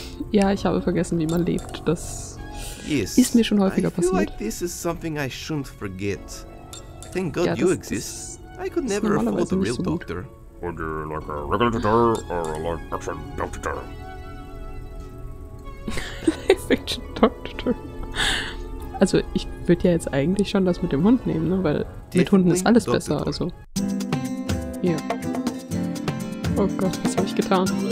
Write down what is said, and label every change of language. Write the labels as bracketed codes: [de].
[de] Ja, ich habe vergessen, wie man lebt. Das ist mir schon häufiger passiert. [en] I feel like this is something I shouldn't forget. Thank God you exist. I could never afford a real doctor. Would you like a regular doctor or a live action doctor? Live action doctor. [de] Also, ich würde ja jetzt eigentlich schon das mit dem Hund nehmen, ne? Weil mit Hunden ist alles besser. Also. Ja. Oh Gott, was habe ich getan?